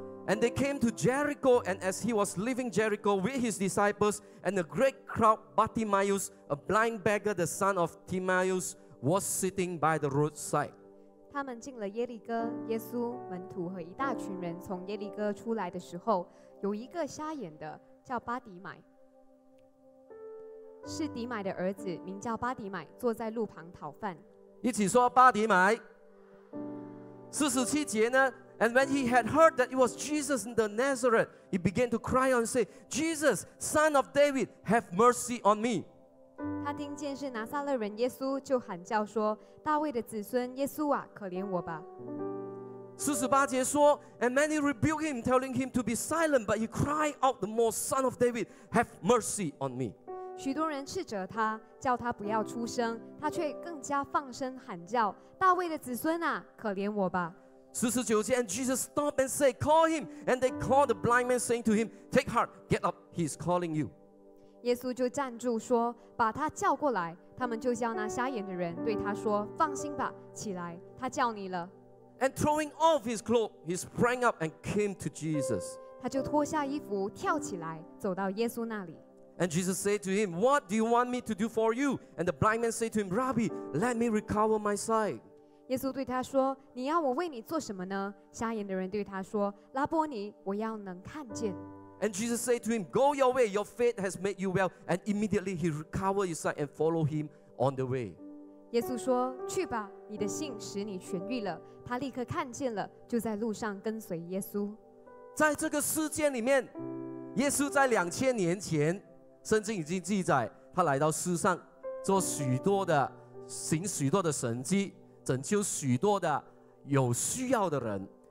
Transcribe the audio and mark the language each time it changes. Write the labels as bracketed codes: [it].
[en] And they came to Jericho, and as he was leaving Jericho with his disciples and a great crowd, Bartimaeus, a blind beggar, the son of Timaeus, was sitting by the roadside. [zh] 他们进了耶利哥，耶稣门徒和一大群人从耶利哥出来的时候，有一个瞎眼的叫巴底买，是底买的儿子，名叫巴底买，坐在路旁讨饭。一起说巴底买。四十七节呢？ [en] And when he had heard that it was Jesus in the Nazareth, he began to cry and say, Jesus, son of David, have mercy on me. [zh] 他听见是拿撒勒人耶稣，就喊叫说，大卫的子孙耶稣啊，可怜我吧。四十八节说， [en] And many rebuked him, telling him to be silent, but he cried out the more, son of David, have mercy on me. [zh] 许多人斥责他，叫他不要出声，他却更加放声喊叫，大卫的子孙啊，可怜我吧。四十九节， [en] and Jesus stopped and said, call him. And they called the blind man, saying to him, take heart, get up, he is calling you. [zh] 耶稣就站住说，把他叫过来。他们就叫那瞎眼的人对他说，放心吧，起来，他叫你了。 [en] And throwing off his cloak, he sprang up and came to Jesus. [zh] 他就脱下衣服，跳起来，走到耶稣那里。 [en] And Jesus said to him, what do you want me to do for you? And the blind man said to him, Rabbi, let me recover my sight. [zh] 耶稣对他说，你要我为你做什么呢？瞎眼的人对他说，拉波尼，我要能看见。 [en] And Jesus said to him, go your way, your faith has made you well. And immediately he recovered his sight and followed him on the way. [zh] 耶稣说，去吧，你的信使你痊愈了。他立刻看见了，就在路上跟随耶稣。在这个事件里面，耶稣在两千年前，圣经已经记载他来到世上做许多的行许多的神迹，拯救许多的有需要的人。